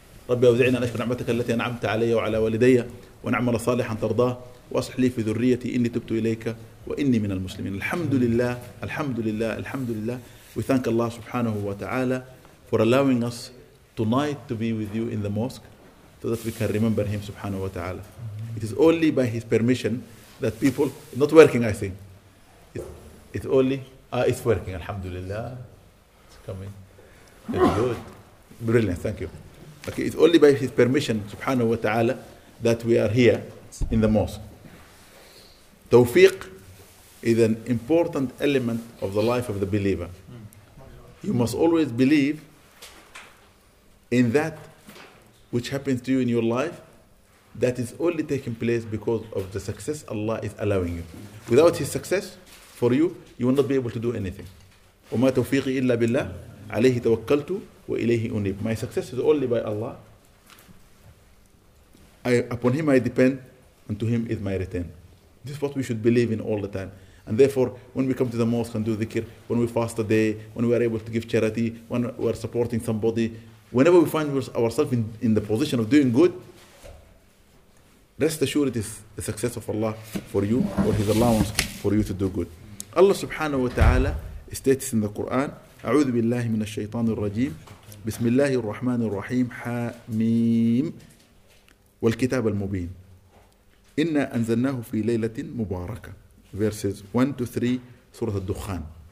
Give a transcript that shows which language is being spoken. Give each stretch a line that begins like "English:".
Arabic: رب أوزعنا نشكر نعمتك التي أنعمت علي وعلى والدي ونعمل صالحا ترضاه واصلح لي في ذريتي إني تبت إليك وإني من المسلمين الحمد لله الحمد لله الحمد لله
English: We thank Allah subhanahu wa ta'ala for allowing us tonight to be with you in the mosque so that we can remember him subhanahu wa ta'ala. It is only by his permission that people, not working I think, it's working, alhamdulillah, it's coming. That's good. Brilliant, thank you. Okay, it's only by his permission subhanahu wa ta'ala that we are here in the mosque. Tawfiq is an important element of the life of the believer. You must always believe in that which happens to you in your life that is only taking place because of the success Allah is allowing you. Without His success for you, you will not be able to do anything.
Arabic: وما توفيقي إلا بالله عليه توكلت وإليه أنيب.
English: My success is only by Allah. Upon Him I depend and to Him is my return. This is what we should believe in all the time. And therefore, when we come to the mosque and do dhikr, when we fast a day, when we are able to give charity, when we are supporting somebody, whenever we find ourselves in the position of doing good, rest assured it is the success of Allah for you or His allowance for you to do good. Allah subhanahu wa ta'ala states in the Quran,
Arabic: أعوذ بالله من الشيطان الرجيم بسم الله الرحمن الرحيم حاميم والكتاب المبين إنا أنزلناه في ليلة مباركة
English: Verses 1 to 3, Surah Al-Dukhan.